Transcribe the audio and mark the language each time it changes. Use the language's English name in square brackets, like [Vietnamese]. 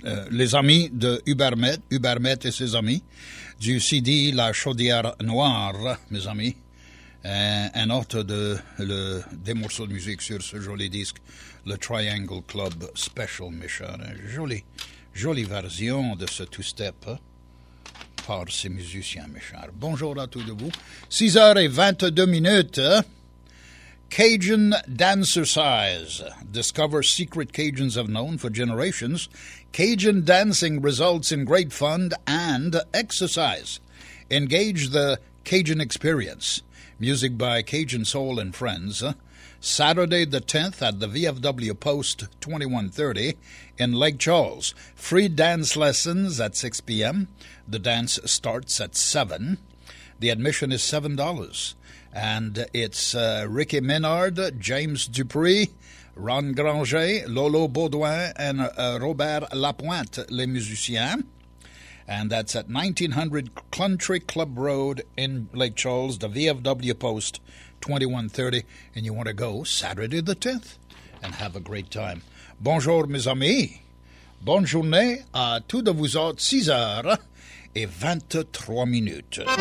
[French] Les amis de Hubermet et ses amis, du CD La Chaudière Noire, mes amis, un autre des morceaux de musique sur ce joli disque, le Triangle Club Special Mission, une jolie version de ce two-step par ces musiciens, mes chers. Bonjour à tous de vous, 6h22, Cajun Dancer Size. [English] Discover secret Cajuns have known for generations. Cajun dancing results in great fun and exercise. Engage the Cajun experience. Music by Cajun Soul and Friends. Saturday the 10th at the VFW Post 2130 in Lake Charles. Free dance lessons at 6 p.m. The dance starts at 7. The admission is $7. And it's Ricky Menard, James Dupree, Ron Granger, Lolo Baudouin, and Robert Lapointe, [French] les musiciens. [English] And that's at 1900 Country Club Road in Lake Charles, the VFW Post, 2130. And you want to go Saturday the 10th and have a great time. [French] Bonjour, mes amis. Bonne journée à tous de vous autres, 6h et 23 minutes.